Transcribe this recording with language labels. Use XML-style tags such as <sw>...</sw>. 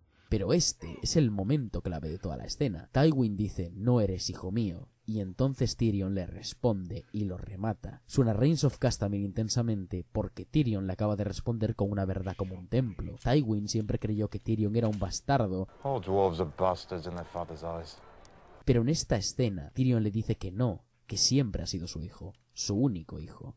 <es>Pero este es el momento clave de toda la escena. Tywin dice, no eres hijo mío. Y entonces Tyrion le responde y lo remata. Suena Reigns of Castamere intensamente porque Tyrion le acaba de responder con una verdad como un templo. Tywin siempre creyó que Tyrion era un bastardo.</es> <en>All dwarves are bastards in their father's eyes.</en> <es>Pero en esta escena, Tyrion le dice que no, que siempre ha sido su hijo, su único hijo.</es>